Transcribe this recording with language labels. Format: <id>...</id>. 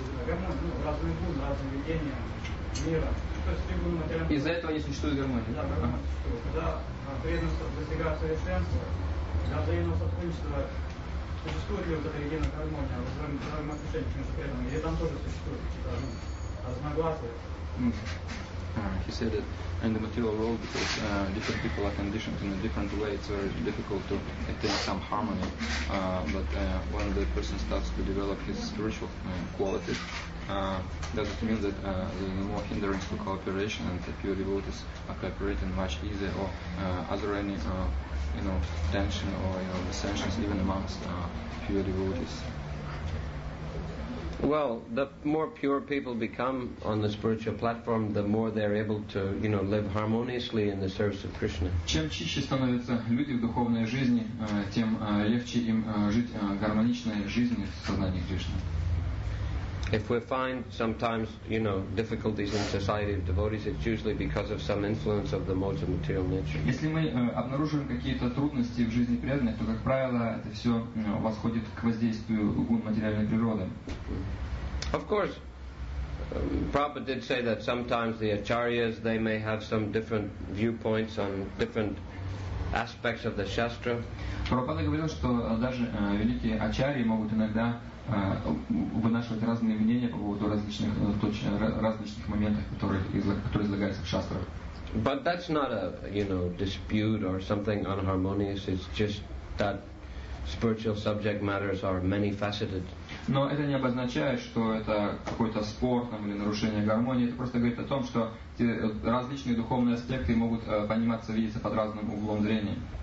<ru>Гармония, ну, разный путь, разные видения мира. То есть, либо материально... Из-за этого не существует гармония? Да, гармония существует. Когда преданность достигает совершенства, для взаимного сотрудничества, существует ли вот эта единая гармония во взаимоотношениях между преданными? Или там тоже существует разногласия?</ru> <en>He said that in the material world, because different people are conditioned in a different way, it's very difficult to attain some harmony. But when the person starts to develop his spiritual qualities, does it mean that there is more hindrance to cooperation and the pure devotees are cooperating much easier? Or are there any you know, tension or you know, dissensions even amongst pure devotees? Well, the more pure people become on the spiritual platform, the more they're able to, you know, live harmoniously in the service of Krishna.</en> <ru>Чем чище становятся люди в духовной жизни, тем легче им жить гармоничной жизнью в сознании Кришны.</ru> <en>If we find sometimes, you know, difficulties in society of devotees, it's usually because of some influence of the modes of material nature.</en> <ru>Если мы обнаруживаем какие-то трудности в жизни преданных, то, как правило, это все восходит к воздействию гун материальной природы.</ru> <en>Of course, Prabhupada did say that sometimes the acharyas, they may have some different viewpoints on different aspects of the shastra.</en> <ru>Prabhupada говорил, что даже великие ачарьи могут иногда вынашивать разные мнения по поводу различных различных моментов, которые излагаются в шастрах.</ru> <en>But that's not a, you know, dispute or something unharmonious. It's just that spiritual subject matters are many faceted.</en> <ru>Но это не обозначает, что это какой-то спор там, или нарушение гармонии. Это просто говорит о том, что различные духовные аспекты могут пониматься, видеться под разным углом зрения.</ru>